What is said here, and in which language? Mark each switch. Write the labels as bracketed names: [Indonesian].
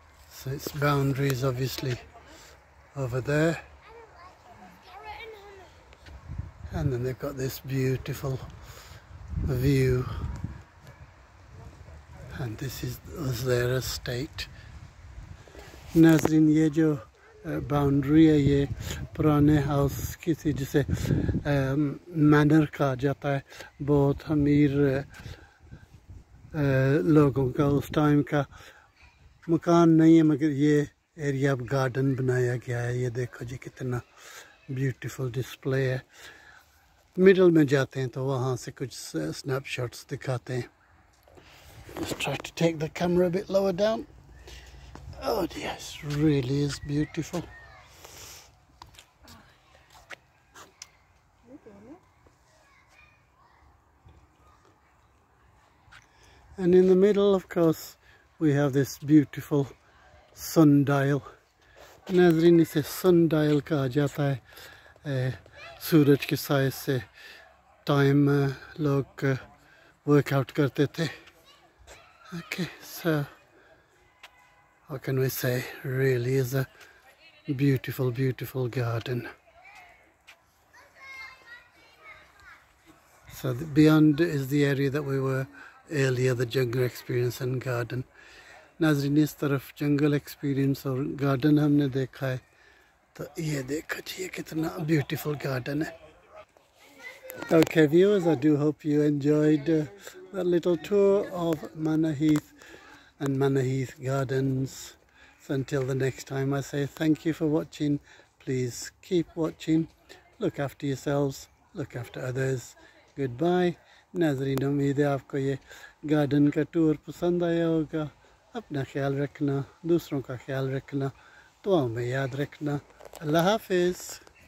[English] So its boundaries obviously over there, and then they've got this beautiful view, and this is their estate. [Urdu] نزرین، یہ جو boundary ہے، یہ پرانے house کی تھی، جسے manor کا جاتا ہے، بہت امیر لوگوں کا اس time کا مکان نہیں ہے، مگر یہ area اب garden بنایا گیا ہے۔ یہ دیکھو جی کتنا [English] beautiful display [Urdu] ہے۔ Middle میں جاتے ہیں تو وہاں سے کچھ snapshots دکھاتے ہیں۔ [English] Just try to take the camera a bit lower down. Oh dear, it really is beautiful. And in the middle, of course, we have this beautiful sundial. [Urdu] نزرین، [English] it's a sundial [Urdu] کا جاتا ہے۔ سورج کے سائے سے time لوگ workout کرتے تھے۔ [English] Okay, so what can we say? Really is a beautiful garden. So beyond is the area that we were earlier, the jungle experience and garden. [Urdu] نزرین، اس طرف jungle experience اور garden ہمنے دیکھا ہے۔ [English] So، yeah، [Urdu] دیکھا جی، کتنا [English] beautiful garden [Urdu] ہے۔ [English] Okay viewers, I do hope you enjoyed that little tour of Manor Heath and Manor Heath Gardens. So until the next time, I say thank you for watching. Please keep watching. Look after yourselves. Look after others. Goodbye. [Urdu] نزرین، امید ہے آپکو یہ garden کا tour پسند آیا ہوگا۔ اپنا خیال رکھنا، دوسروں کا خیال رکھنا، دعاؤں میں یاد رکھنا۔ اللہ حافظ۔